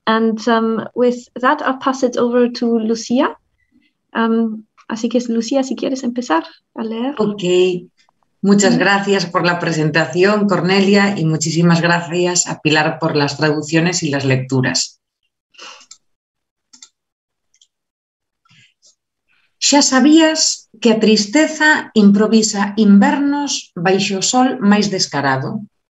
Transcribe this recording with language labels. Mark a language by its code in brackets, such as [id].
[en] And with that, I'll pass it over to Lucía. [es] Así que, Lucía, si quieres empezar a leer. Ok. Muchas gracias por la presentación, Cornelia, y muchísimas gracias a Pilar por las traducciones y las lecturas. [gl] Xa sabías que a tristeza improvisa invernos baixo o sol máis descarado.